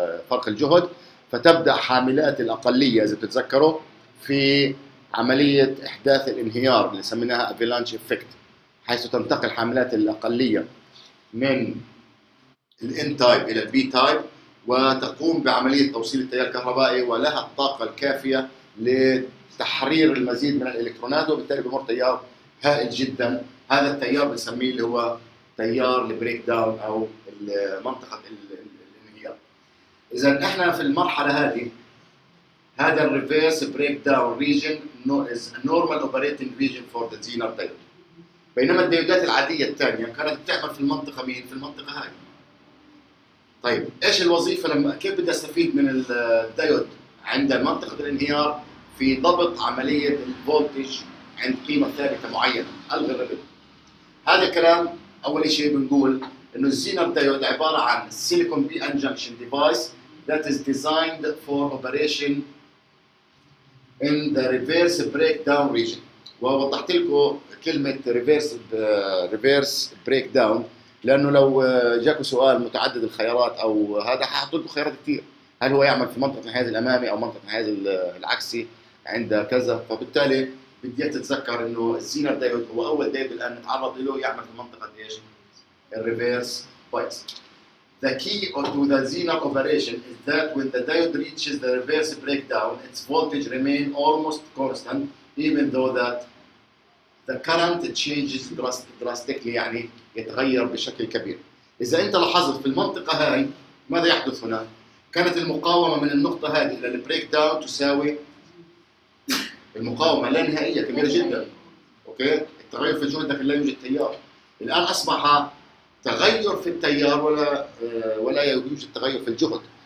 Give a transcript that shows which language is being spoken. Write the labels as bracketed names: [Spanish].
[Arabic] فرق الجهد، فتبدأ حاملات الأقلية إذا بتتذكروا في عملية إحداث الانهيار اللي سميناها أفلانش إفكت، حيث تنتقل حاملات الأقلية من الـ N-type إلى الـ B-type وتقوم بعملية توصيل التيار الكهربائي، ولها الطاقة الكافية لتحرير المزيد من الإلكترونات، وبالتالي بمر تيار هائل جدا. هذا التيار بنسميه اللي هو تيار البريك داون أو منطقة الانهيار. إذا احنا في المرحلة هذه، هذا الـ [English] Reverse Breakdown Region is a normal operating region for the Zener diode. [Arabic] بينما الديودات العادية الثانية كانت بتعمل في المنطقة مين؟ في المنطقة هاي. طيب ايش الوظيفة لما كيف بدي استفيد من الدايود عند منطقة الانهيار؟ في ضبط عملية الفولتج عند قيمة ثابتة معينة، الغي الربل. هذا الكلام اول شيء بنقول انه الزينر دايود عبارة عن سيليكون بي ان جنكشن ديفايس [English] that is designed for operation in the reverse breakdown region. [Arabic] ووضحت لكم كلمة reverse breakdown، لأنه لو جاكوا سؤال متعدد الخيارات أو هذا حاحطوا لكم خيارات كتير، هل هو يعمل في منطقة الانحياز الأمامي أو منطقة الانحياز العكسي عند كذا، فبالتالي بدي تتذكر أنه الزينر دايود هو أول دايود الآن نتعرض له يعمل في منطقة إيش؟ reverse bias. [English] The key to the zener operation is that when the diode reaches the reverse breakdown, its voltage remains almost constant even though that the current changes drastically، [Arabic] يعني يتغير بشكل كبير. إذا أنت لاحظت في المنطقة هاي ماذا يحدث هنا؟ كانت المقاومة من النقطة هذه إلى البريك داون تساوي المقاومة لا نهائية كبيرة جدا. أوكي؟ التغير في جهد لكن لا يوجد تيار. الآن أصبح تغير في التيار ولا يوجد تغير في الجهد.